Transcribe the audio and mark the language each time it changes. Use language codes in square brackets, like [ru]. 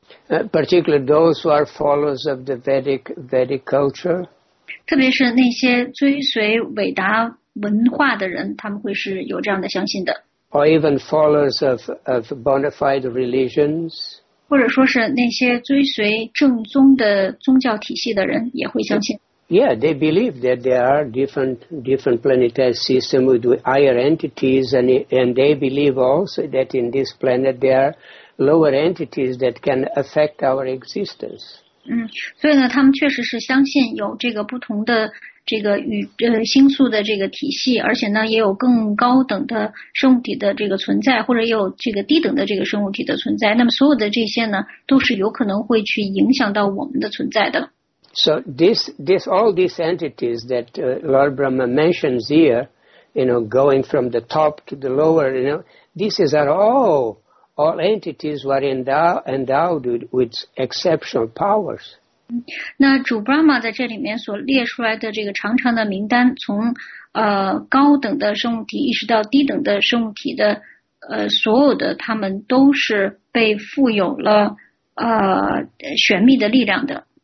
[en] Particularly those who are followers of the Vedic culture. [zh] 特别是那些追随伟达文化的人，他们会是有这样的相信的。 [en] Or even followers of bona fide religions. [zh] 或者说是那些追随正宗的宗教体系的人也会相信。 [en] Yeah, they believe that there are different planetary systems with higher entities, and they believe also that in this planet there are lower entities that can affect our existence. [zh] 所以呢，他们确实是相信有这个不同的这个星宿的这个体系，而且呢，也有更高等的生物体的这个存在，或者也有这个低等的这个生物体的存在。那么所有的这些呢，都是有可能会去影响到我们的存在的。 [en] So this all these entities that Lord Brahma mentions here, you know, going from the top to the lower, you know, these are all entities were endowed with exceptional powers. [zh] 那主 Brahma 在这里面所列出来的这个长长的名单，从高等的生物体一直到低等的生物体的所有的，他们都是被赋有了玄秘的力量的。